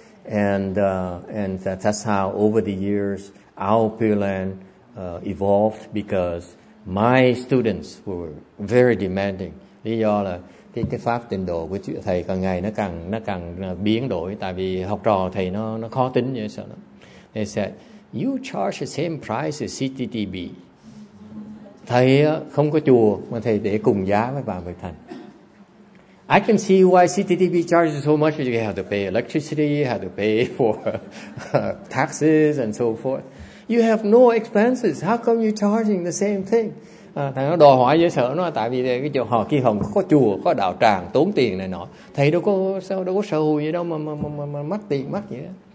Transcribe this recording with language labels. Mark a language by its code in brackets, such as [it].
[en] And that's how over the years our Pure Land evolved, because my students were very demanding. [vi] Lý do là cái pháp tịnh độ của thầy càng ngày nó càng biến đổi, tại vì học trò thầy nó khó tính như sao đó. [en] They said, you charge the same price as CTTB. [vi] Thầy không có chùa mà thầy để cùng giá với bà Mười Thành. [en] I can see why CTTB charges so much. You have to pay electricity, you have to pay for taxes and so forth. You have no expenses. How come you're charging the same thing? [vi] Thầy nó đòi hỏi dễ sợ nó, tại vì cái chỗ họ kia không có chùa, có đạo tràng, tốn tiền này nọ. Thầy đâu có sao đâu có sợ hù gì đâu mà mắc tiền mắc gì đó.